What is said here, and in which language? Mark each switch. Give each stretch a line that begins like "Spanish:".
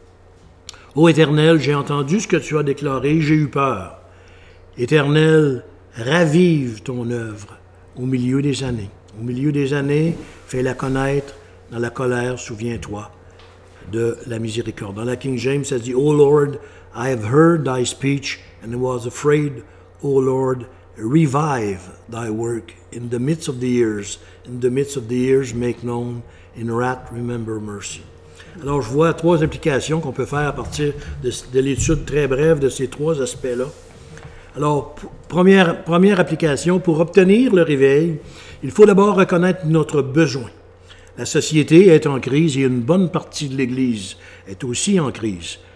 French: « Ô Éternel, j'ai entendu ce que tu as déclaré, j'ai eu peur. Éternel, ravive ton œuvre au milieu des années. Au milieu des années, fais-la connaître dans la colère, souviens-toi de la miséricorde.
English: Dans la King James, ça dit, « O Lord, I have heard thy speech and was afraid. O Lord, revive thy work in the midst of the years. In the midst of the years, make known. In wrath, remember mercy.
French: » Alors, je vois trois implications qu'on peut faire à partir de l'étude très brève de ces trois aspects-là. Alors, première application, pour obtenir le réveil, il faut d'abord reconnaître notre besoin. La société est en crise et une bonne partie de l'Église est aussi en crise.